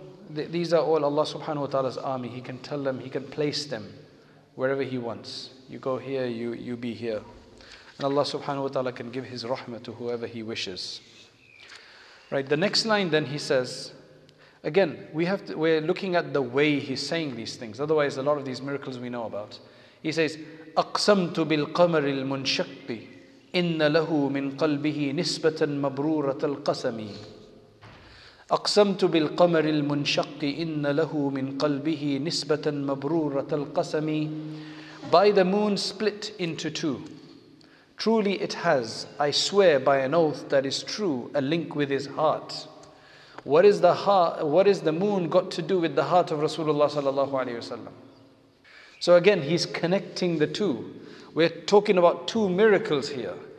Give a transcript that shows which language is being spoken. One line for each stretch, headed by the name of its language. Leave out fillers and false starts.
English: These are all Allah subhanahu wa ta'ala's army. He can tell them, he can place them wherever he wants. You go here, you be here. And Allah subhanahu wa ta'ala can give his rahmah to whoever he wishes. Right, the next line then he says, again, we're looking at the way he's saying these things. Otherwise, a lot of these miracles we know about.
Arabic: He says, أَقْسَمْتُ بِالْقَمَرِ الْمُنْشَقِّ إِنَّ لَهُ مِنْ قَلْبِهِ نِسْبَةً مَبْرُورَةَ الْقَسَمِ أَقْسَمْتُ بِالْقَمَرِ الْمُنْشَقِّ إِنَّ لَهُ مِنْ قَلْبِهِ نِسْبَةً مَبْرُورَةَ الْقَسَمِ
English: By the moon split into two. Truly it has, I swear by an oath that is true, a link with his heart. What is the heart? What is the moon got to do with the heart of Rasulullah sallallahu alaihi wasallam? So again, he's connecting the two. We're talking about two miracles here.